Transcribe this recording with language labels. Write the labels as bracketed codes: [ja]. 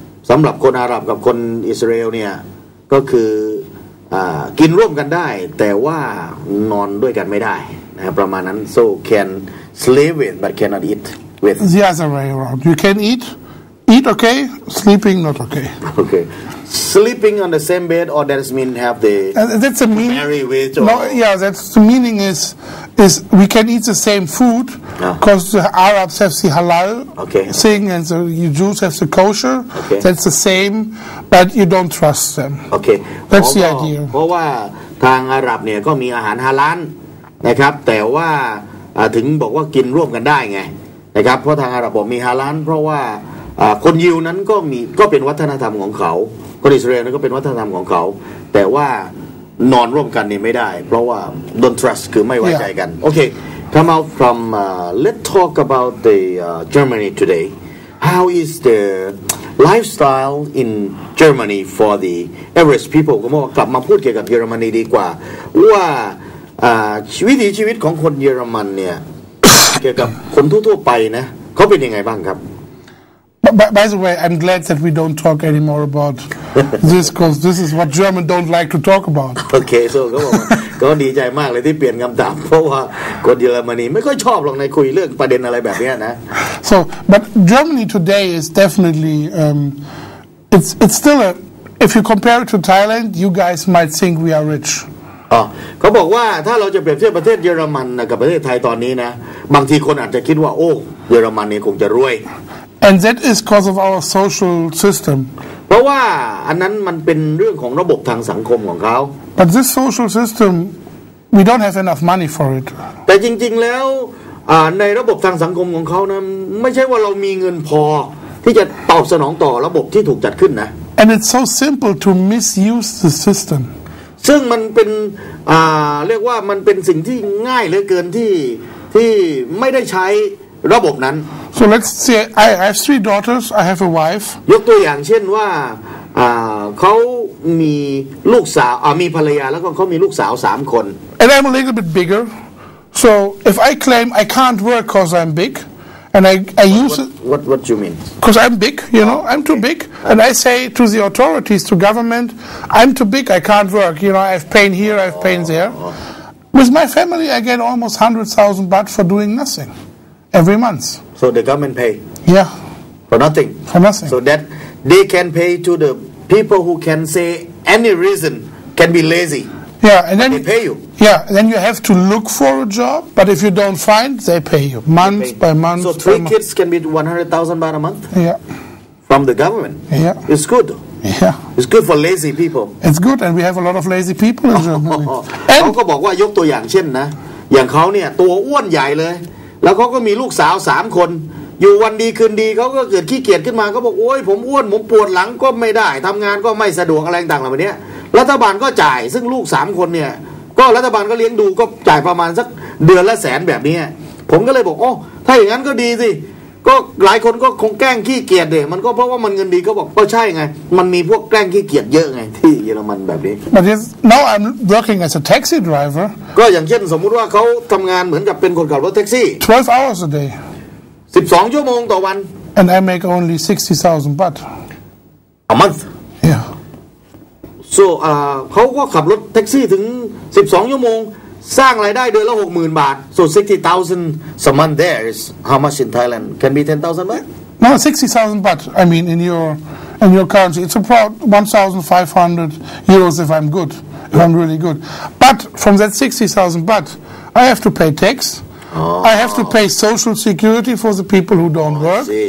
[th] สำหรับคนอาหรับกับคนอิสราเอลเนี่ยก็คือกินร่วมกันได้แต่ว่านอนด้วยกันไม่ได้นะประมาณนั้น [en] so can sleep with but cannot eat with the other way around you can eat okay sleeping not okay okay sleeping on the same bed or that mean have the that's a mean marry with no yeah that's the meaning is we can eat the same food because the Arabs have the halal okay. thing and the Jews have the kosher okay. that's the same but you don't trust them okay that's the idea [th] เพราะว่าทางอาหรับเนี่ยก็มีอาหารฮาลาลนะครับแต่ว่าถึงบอกว่ากินร่วมกันได้ไงนะครับเพราะทางอาหรับบอกมีฮาลาลเพราะว่าคนยิวนั้นก็เป็นวัฒนธรรมของเขาคนอิสราเอลนั้นก็เป็นวัฒนธรรมของเขาแต่ว่านอนร่วมกันนี่ไม่ได้เพราะว่า [en] don't trust [th] คือไม่ไว้ใจกันโอเค [en] come out from let's talk about the Germany today how is the lifestyle in Germany for the average people [th] ก็มากลับมาพูดเกี่ยวกับเยอรมนีดีกว่าว่าชีวิตของคนเยอรมันเนี่ย เกี่ยวกับคนทั่วๆไปนะเขาเป็นยังไงบ้างครับ [en] By the way, I'm glad that we don't talk anymore about this, because this is what Germans don't like to talk about. [th] Okay, so เขาดีใจมากเลยที่เปลี่ยนคำถามเพราะว่าคนเยอรมนีไม่ค่อยชอบหรอกในคุยเรื่องประเด็นอะไรแบบนี้นะ [en] So, but Germany today is definitely, it's still a If you compare it to Thailand, you guys might think we are rich. [th] เขาบอกว่าถ้าเราจะเปรียบเทียบประเทศเยอรมันกับประเทศไทยตอนนี้นะบางทีคนอาจจะคิดว่าโอ้เยอรมันนี่คงจะรวย [en] And that is because of our social system. [th] เพราะว่าอันนั้นมันเป็นเรื่องของระบบทางสังคมของเขา [en] But this social system, we don't have enough money for it. [th] แต่จริงๆแล้วในระบบทางสังคมของเขานะไม่ใช่ว่าเรามีเงินพอที่จะตอบสนองต่อระบบที่ถูกจัดขึ้นนะ [en] And it's so simple to misuse the system. [th] ซึ่งมันเป็นเรียกว่ามันเป็นสิ่งที่ง่ายเหลือเกินที่ไม่ได้ใช้ระบบนั้น [en] So let's say I have three daughters. I have a wife. [th] ยกตัวอย่างเช่นว่าเขามีลูกสาวมีภรรยาแล้วก็เขามีลูกสาว3คน [en] And I'm a little bit bigger. So if I claim I can't work because I'm big. And I use what do you mean? Because I'm big, you know, I'm too big, and I say to the authorities, to government, I'm too big, I can't work. You know, I have pain here, I have pain there. With my family, I get almost 100,000 baht for doing nothing every month. So the government pay. Yeah. For nothing. For nothing. So that they can pay to the people who can say any reason can be lazy. Yeah, and then they pay you. Yeah, then you have to look for a job. But if you don't find, they pay you month by month. So three kids can be 100,000 baht a month. Yeah, from the government. Yeah, it's good. Yeah, it's good for lazy people. It's good, and we have a lot of lazy people in Germany. [th] And เขาก็บอกว่ายกตัวอย่างเช่นนะอย่างเขาเนี่ยตัวอ้วนใหญ่เลยแล้วเขาก็มีลูกสาว3คนอยู่วันดีคืนดีเขาก็เกิดขี้เกียจขึ้นมาเขาบอกโอ้ยผมอ้วนผมปวดหลังก็ไม่ได้ทำงานก็ไม่สะดวกอะไรต่างๆแบบนี้รัฐบาลก็จ่ายซึ่งลูก3คนเนี่ยก็รัฐบาลก็เลี้ยงดูก็จ่ายประมาณสักเดือนละแสนแบบนี้ผมก็เลยบอกโอ้ถ้าอย่างนั้นก็ดีสิก็หลายคนก็คงแกล้งขี้เกียจเด้มันก็เพราะว่ามันเงินดีก็บอกก็ใช่ไงมันมีพวกแกล้งขี้เกียจเยอะไงที่เยอรมันแบบนี้ [en] But yes, now I'm working as a taxi driver [th] ก็อย่างเช่นสมมติว่าเขาทำงานเหมือนกับเป็นคนขับรถแท็กซี่ [en] 12 hours a day [th] 12ชั่วโมงต่อวัน [en] And I make only 60,000 baht a month yeah [th] so เขาก็ขับรถแท็กซี่ถึง12ชั่วโมงสร้างรายได้เดือนละ 60,000 บาท [en] so 60,000 a month there is how much in Thailand can be 10,000 baht no 60,000 baht I mean in your currency it's about 1,500 euros if I'm good if I'm really good but from that 60,000 baht I have to pay taxI have to pay social security for the people who don't work.